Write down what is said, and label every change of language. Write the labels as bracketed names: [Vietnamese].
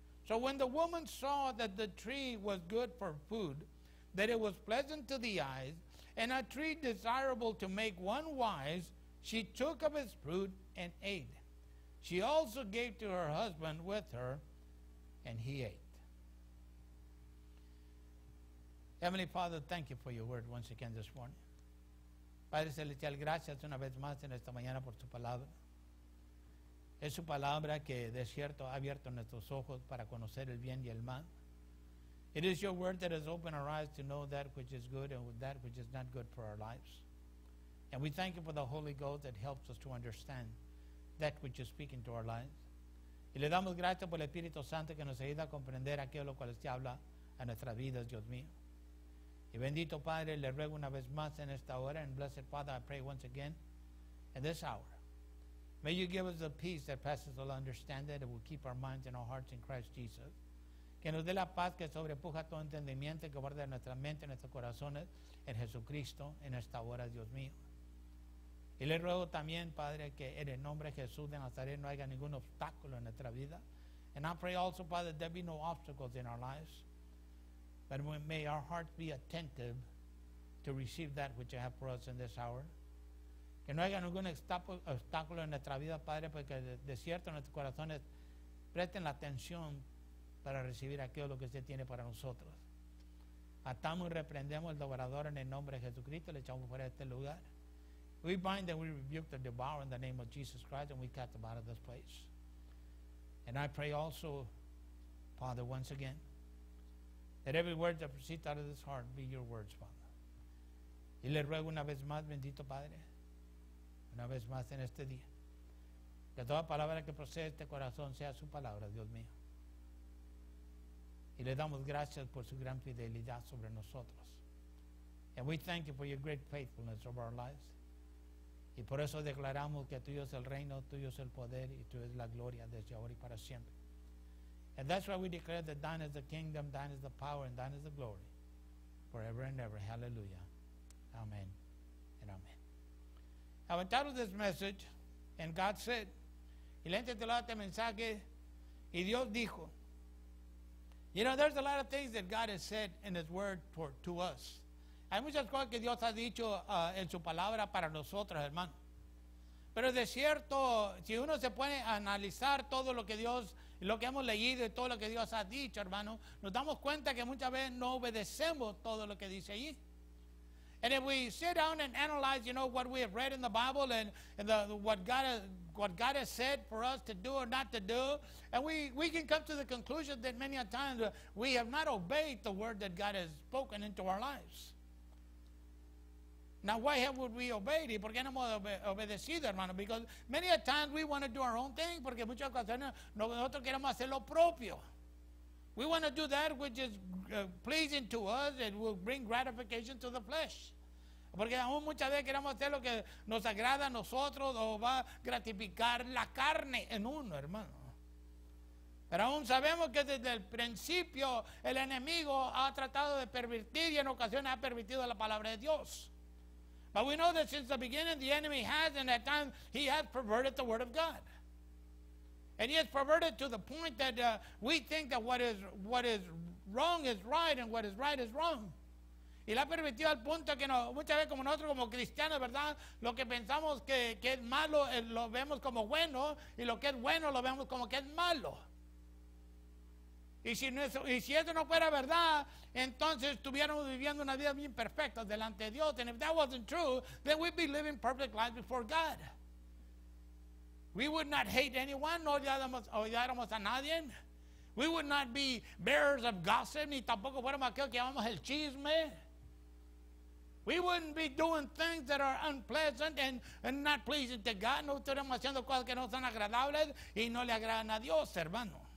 [English] So when the woman saw that the tree was good for food, that it was pleasant to the eyes, and a tree desirable to make one wise, she took of its fruit and ate. She also gave to her husband with her, and he ate. Heavenly Father, thank you for your word once again this morning. [Spanish] Padre Celestial, gracias una vez más en esta mañana por su palabra. Es su palabra que de cierto ha abierto nuestros ojos para conocer el bien y el mal. [English] It is your word that has opened our eyes to know that which is good and that which is not good for our lives. And we thank you for the Holy Ghost that helps us to understand that which you speak into our lives. [Spanish] Y le damos gracias por el Espíritu Santo que nos ayuda a comprender aquello cual usted habla a nuestras vidas, Dios mío. Y bendito Padre, le ruego una vez más en esta hora, [English] and blessed Father, I pray once again, in this hour, may you give us the peace that passes all understanding, that will keep our minds and our hearts in Christ Jesus. [Spanish] Que nos dé la paz que sobrepuja todo entendimiento, que guarde nuestra mente, nuestros corazones, en Jesucristo, en esta hora, Dios mío. Y le ruego también, Padre, que en el nombre de Jesús de Nazaret no haya ningún obstáculo en nuestra vida. [English] And I pray also, Father, there be no obstacles in our lives. But may our hearts be attentive to receive that which you have for us in this hour. [Spanish] Que no haya ningún obstáculo en nuestra vida, Padre, porque de cierto nuestros corazones presten la atención para recibir aquello que usted tiene para nosotros. Atamos y reprendemos el devorador en el nombre de Jesucristo, le echamos fuera de este lugar. [English] We bind and we rebuke the devourer in the name of Jesus Christ and we cast him out of this place. And I pray also, Father, once again, that every word that proceeds out of this heart be your words, Father. [Spanish] Y le ruego una vez más, bendito Padre, una vez más en este día, que toda palabra que procede de este corazón sea su palabra, Dios mío. Y le damos gracias por su gran fidelidad sobre nosotros. [English] And we thank you for your great faithfulness over our lives. [Spanish] Y por eso declaramos que tuyo es el reino, tuyo es el poder y tuyo es la gloria desde ahora y para siempre. [English] And that's why we declare that thine is the kingdom, thine is the power, and thine is the glory, forever and ever. Hallelujah. Amen and amen. I've entitled this message, and God said, [Spanish] y le he titulado este mensaje, y Dios dijo. [English] You know, there's a lot of things that God has said in his word to us. [Spanish] Hay muchas cosas que Dios ha dicho en su palabra para nosotros, hermano. Pero de cierto, si uno se pone a analizar todo lo que Dios, lo que hemos leído y todo lo que Dios ha dicho, hermano, nos damos cuenta que muchas veces no obedecemos todo lo que dice allí. [English] And if we sit down and analyze, you know, what we have read in the Bible and what God has what God has said for us to do or not to do. And we can come to the conclusion that many a times we have not obeyed the word that God has spoken into our lives. Now, why have we obeyed it? [Spanish] ¿Por qué no hemos obedecido, hermano? [English] Because many a times we want to do our own thing. [Spanish] Porque muchas ocasiones nosotros queremos hacer lo propio. [English] We want to do that which is pleasing to us. It will bring gratification to the flesh. [Spanish] Porque aún muchas veces queremos hacer lo que nos agrada a nosotros o va a gratificar la carne en uno, hermano. Pero aún sabemos que desde el principio el enemigo ha tratado de pervertir y en ocasiones ha pervertido la palabra de Dios. [English] But we know that since the beginning the enemy has, and at times he has perverted the word of God. And he has perverted to the point that we think that what is wrong is right and what is right is wrong. [Spanish] Y la ha permitido al punto que no, muchas veces como nosotros como cristianos, ¿verdad? Lo que pensamos que es malo lo vemos como bueno y lo que es bueno lo vemos como que es malo. Y si eso no fuera verdad, entonces estuviéramos viviendo una vida bien perfecta delante de Dios. [English] And if that wasn't true, then we'd be living perfect lives before God. We would not hate anyone, nor [Spanish] odiáramos a nadie. [English] We would not be bearers of gossip, [Spanish] ni tampoco fuéramos aquellos que llamamos el chisme. [English] We wouldn't be doing things that are unpleasant and not pleasing to God. [Spanish] No estaremos haciendo cosas que no son agradables y no le agradan a Dios, hermano.